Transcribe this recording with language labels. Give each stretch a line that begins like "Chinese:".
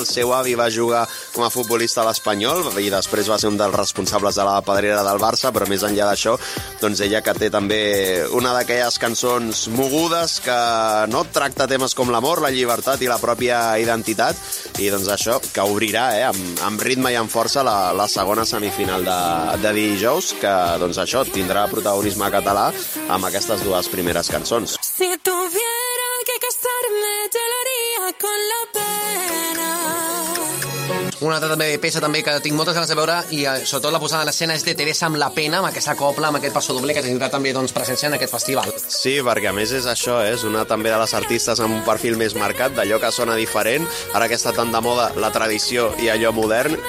Catalan: El seu avi va jugar com a futbolista a l'Espanyol i després va ser un dels responsables de la pedrera del Barça, però més enllà d'això, doncs ella que té també una d'aquelles cançons mogudes que no tracta temes com l'amor, la llibertat i la pròpia identitat, i doncs això que obrirà, amb ritme i amb força la segona semifinal final de dijous, que doncs això tindrà protagonisme català amb aquestes dues primeres cançons.
Spanish: Si tuviera que casarme, te lo haría con la pena.
Catalan: Una altra peça també que tinc moltes ganes de veure i sobretot la posada en escena és de Teresa amb La Pena, amb aquesta copla, amb aquest passo doble que tindrà també, doncs, presència en aquest festival. Sí, perquè a més és això, és una també de les artistes amb un perfil més marcat, d'allò que sona diferent, ara que està tan de moda la tradició i allò modern.